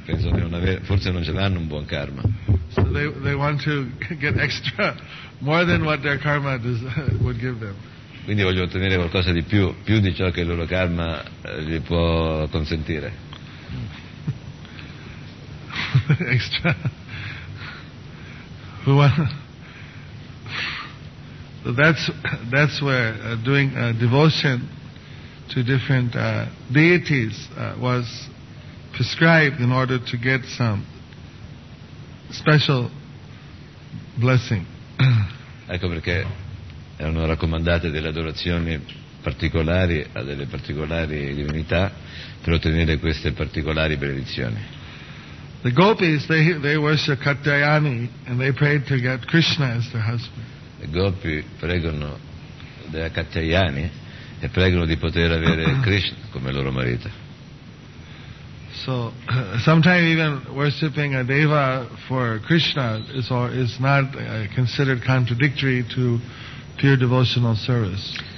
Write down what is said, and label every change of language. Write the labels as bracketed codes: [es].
[it] Penso che non avere, forse non ce l'hanno un buon karma. [en] So they want to get extra, more than what their karma would give them. [it] Quindi vogliono ottenere qualcosa di più, più di ciò che il loro karma gli può consentire. [en] Extra. Who want? So that's where doing a devotion to different deities was prescribed in order to get some special blessing. [it] Ecco perché erano raccomandate delle adorazioni particolari a delle particolari divinità per ottenere queste particolari benedizioni. [en] The gopis they worship Katayani and they prayed to get Krishna as their husband. [it] I gopi pregano dei Katayani e pregano di poter avere Krishna come loro marito. [en] So sometimes even worshiping a deva for Krishna is not considered contradictory to pure devotional service.